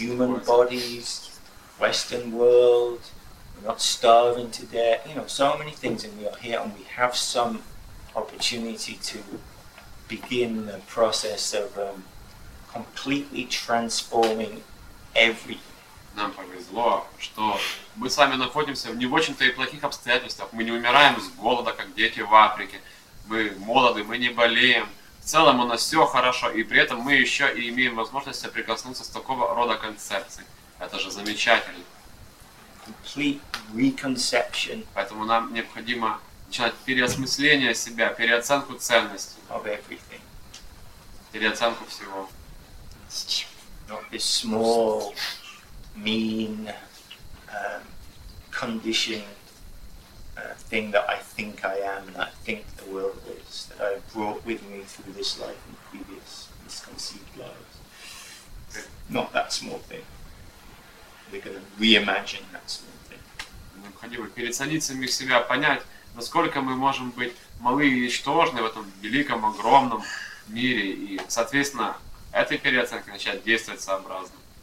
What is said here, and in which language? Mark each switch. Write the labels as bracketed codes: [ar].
[en] human bodies, Western world, we're not starving to death, you know, so many things, and we are here, and we have some opportunity to begin the process of completely transforming everything. [ru] Нам повезло, что мы с вами находимся в не очень-то и плохих обстоятельствах. Мы не умираем с голода, как дети в Африке. Мы молоды, мы не болеем. В целом у нас все хорошо, и при этом мы еще и имеем возможность соприкоснуться с такого рода концепцией. Это же замечательно. [en] Complete reconception. [ru] Поэтому нам необходимо получать переосмысление себя, переоценку ценностей. [en] Of everything. [ru] Переоценку всего. [en] Not this small, mean, conditioned thing that I think I am and I think the world is, that I brought with me through this life and previous misconceived lives. Not that small thing. We're going to reimagine that small. [ru] Необходимо переоценить самих себя, понять, насколько мы можем быть малы и ничтожны в этом великом, огромном мире, и, соответственно, этой переоценкой начать действовать сообразно.